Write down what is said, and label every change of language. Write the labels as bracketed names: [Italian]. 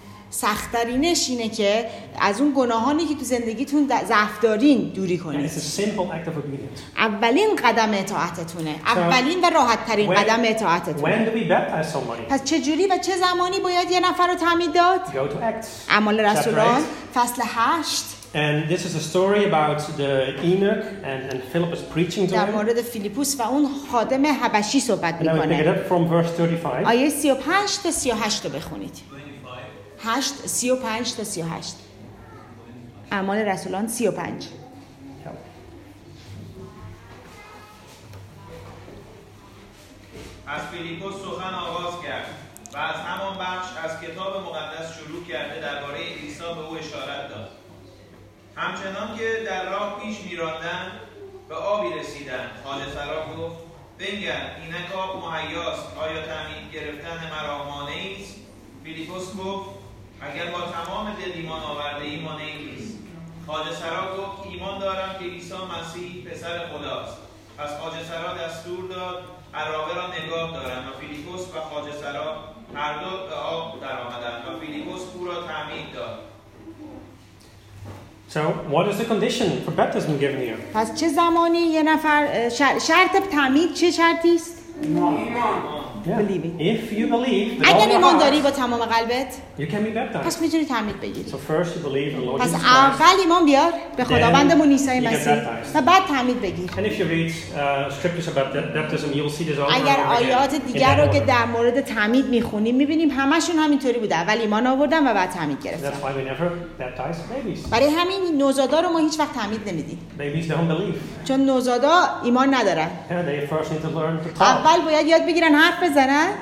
[Persian] سخت‌ترینش اینه که از اون گناهانی که تو زندگیتون ضعف دارین دوری کنید. اولین قدم اطاعتتونه. اولین و راحت‌ترین قدم اطاعتتونه. پس چه جوری و چه زمانی باید یه نفر رو تعمید داد؟ اعمال رسولان فصل 8. [English] And this is a story about the Enoch and Philip is preaching to him. [Persian] در مورد فیلیپوس و اون خادم حبشی صحبت می‌کنه. [English] And I'll pick it up from verse 35. [Persian] آیه 35 تا 38 رو بخونید. 35 تا 38 اعمال رسولان 35. از فیلیپوس سخن آغاز کرد و از همان بخش از کتاب مقدس شروع کرده درباره عیسی به او اشارت داد. همچنان که در راه پیش می‌راندند به آبی رسیدند. خالص را گفت بنگر اینک آب مهیاست، آیا تعمید گرفتن مرا مانعی است؟ فیلیپوس گفت اگر با تمام دل ایمان آورده ایمانه ایست. خواجه سرا گفت ایمان دارم که عیسی مسیح پسر خداست. پس خواجه سرا دستور داد عراقه را نگاه دارند و فیلیپوس و خواجه سرا هر دو به آب در آمدند و فیلیپوس او را تعمید داد. [English] So what is the condition for baptism given here? [Persian] پس چه زمانی یه نفر شرط تعمید چه شرطی است؟ ایمان. [English] Yeah. If you believe, [Persian] اگر ایمان داری با تمام قلبت، [English] you can be baptized. [Persian] پس میتونی تعمید بگیری. [English] So first you believe in the Lord Jesus. [Persian] پس اول ایمان بیار به خداوندمون عیسی مسیح و بعد تعمید بگیر. [English] And if you read scriptures about baptism, you'll see this all. [Persian] اگر آیات دیگر رو که در مورد تعمید میخونیم میبینیم همشون همینطوری بوده. اول ایمان آوردن و بعد تعمید گرفتن. [English] That's why we never baptize babies. [Persian] برای همین نوزادا رو ما هیچ وقت تعمید نمیدیم. [English] Babies don't believe. [Persian] چون نوزادا ایمان ندارن. [English] They first need to learn to talk. [Persian] اول باید یاد بگیرن حرف بزنن.